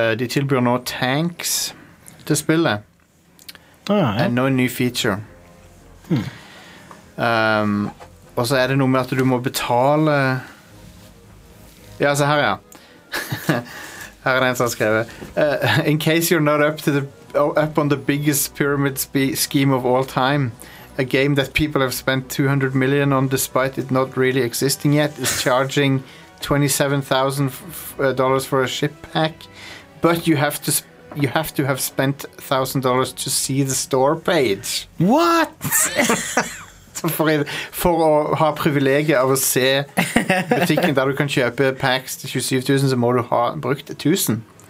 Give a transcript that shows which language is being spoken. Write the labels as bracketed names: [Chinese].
[Norwegian] De tilbyr nå tanks til spillet. Ah, ja. Nå en ny feature. Hmm. Og så er det noe med at du må betale. Ja, så her, ja. Her er det en som har skrevet. [English] In case you're not up on the biggest pyramid scheme of all time, a game that people have spent $200 million on despite it not really existing yet, is charging $27,000 for a ship pack, but you have to have spent $1,000 to see the store page. What? [Norwegian] for å ha privilegiet av å se butikken der du kan kjøpe packs til 27,000, så må du ha brukt 1,000.